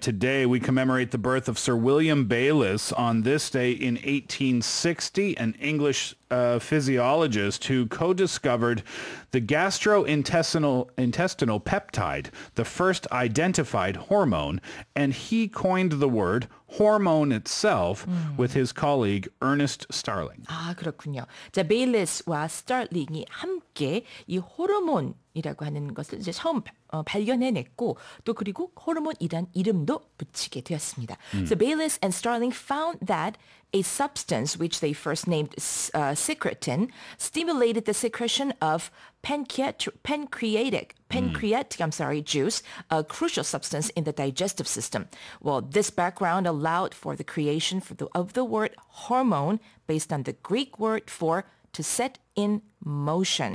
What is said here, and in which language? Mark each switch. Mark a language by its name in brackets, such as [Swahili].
[English] Today we commemorate the birth of Sir William Bayliss on this day in 1860, an English physiologist who co-discovered the gastrointestinal peptide, the first identified hormone, and he coined the word hormone itself with his colleague Ernest Starling. [Korean] 아, 그렇군요. 자, 베일리스와 스타링이 함께 이 호르몬이라고 하는 것을 이제 처음 발견해냈고 또 그리고 호르몬이란 이름도 붙이게 되었습니다. [English] So Bayliss and Starling found that a substance which they first named secretin stimulated the secretion of pancreatic juice, a crucial substance in the digestive system. Well, this background allowed for the creation of the word hormone based on the Greek word for to set in motion.